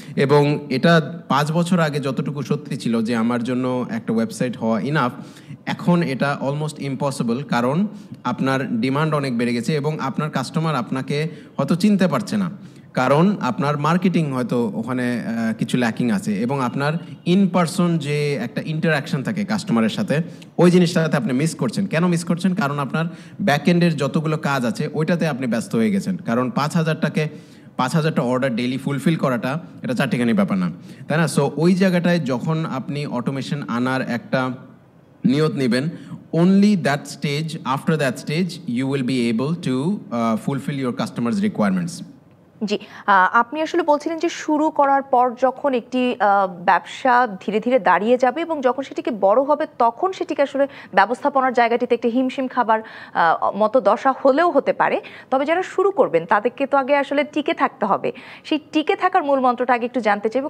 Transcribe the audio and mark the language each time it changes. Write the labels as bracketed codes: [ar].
[bn] এবং এটা 5 বছর আগে যতটুকু সত্যি ছিল যে আমার জন্য একটা ওয়েবসাইট হওয়া ইনাফ, এখন এটা অলমোস্ট ইম্পসিবল, কারণ আপনার ডিমান্ড অনেক বেড়ে গেছে এবং আপনার কাস্টমার আপনাকে হয়তো চিনতে পারছে না, কারণ আপনার মার্কেটিং হয়তো ওখানে কিছু ল্যাকিং আছে, এবং আপনার ইন পারসন যে একটা ইন্টারঅ্যাকশন থাকে কাস্টমারের সাথে, ওই জিনিসটাতে আপনি মিস করছেন। কেন মিস করছেন? কারণ আপনার ব্যাকএন্ডের যতগুলো কাজ আছে ওইটাতে আপনি ব্যস্ত হয়ে গেছেন, কারণ 5,000টা অর্ডার ডেইলি ফুলফিল করাটা এটা চারটিখানি ব্যাপার না, তাই না? সো ওই জায়গাটায় যখন আপনি অটোমেশন আনার একটা নিয়ত নেবেন, [en] only that stage, after that stage, you will be able to fulfill your customers' requirements. [bn] জি, আপনি আসলে বলছিলেন যে শুরু করার পর যখন একটি ব্যবসা ধীরে ধীরে দাঁড়িয়ে যাবে এবং যখন সেটিকে বড় হবে তখন সেটিকে আসলে ব্যবস্থাপনার জায়গাটিতে একটি হিমশিম খাবার মতো দশা হলেও হতে পারে, তবে যারা শুরু করবেন তাদেরকে তো আগে আসলে টিকে থাকতে হবে, সেই টিকে থাকার মূল মন্ত্রটা আগে একটু জানতে চাইব।